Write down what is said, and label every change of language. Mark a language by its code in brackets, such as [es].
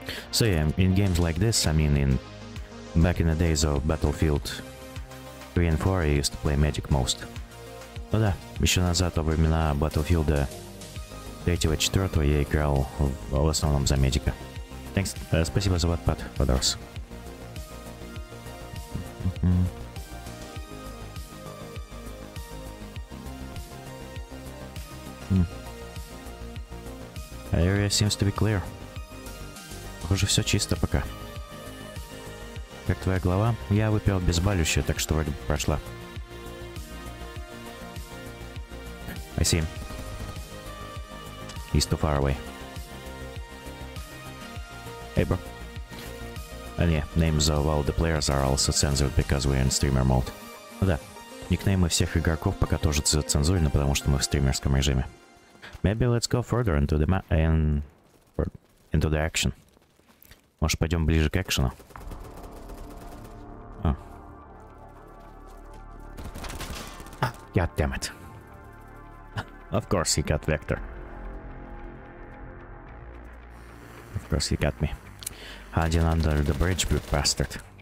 [en] So yeah, in games like this, I mean, in back in the days of Battlefield 3 and 4, I used to play Magic most. [ru] Ну да, еще назад, во времена Battlefield 3 и 4, я играл в основном за Медика. [en] Thanks, [ru] спасибо за ватпад, Подрос. [en] Area seems to be clear. [ru] Похоже, все чисто пока. Как твоя голова? Я выпил обезболивающее, так что вроде бы прошла. [en] I see. He's too far away. Hey, bro. And yeah, names of all the players are also censored because we're in streamer mode. [ru] Ну да, никнеймы всех игроков пока тоже зацензурены, потому что мы в стримерском режиме. [en] Maybe let's go further into the into the action. [ru] Может, пойдем ближе к экшену? [en] God damn it. Of course he got Vector. Of course he got me. Hiding under the bridge, you bastard.